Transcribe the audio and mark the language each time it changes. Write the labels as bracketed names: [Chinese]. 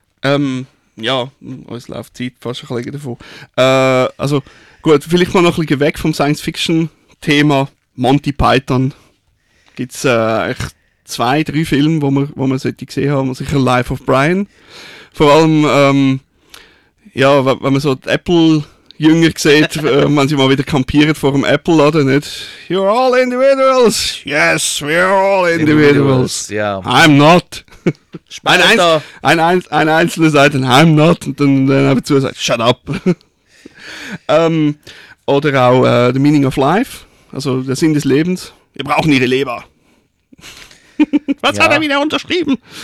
[German] Uns läuft Zeit fast ein bisschen davon. Also gut, vielleicht mal noch ein bisschen weg vom Science-Fiction-Thema. Monty Python. Gibt es echt zwei, drei Filme, wo man sollte gesehen haben. Sicher Life of Brian. Vor allem, wenn man so die Apple-Jünger sieht, wenn sie mal wieder campieren vor dem Apple-Laden, nicht? [English] You're all individuals. Yes, we're all individuals. Yeah. I'm not. [German] Ein Einzelner sagt dann, [English] I'm not. [German] Und dann aber zu sagt, [English] shut up. [German] oder auch The Meaning of Life, also der Sinn des Lebens. Wir brauchen ihre Leber. Was hat er wieder unterschrieben?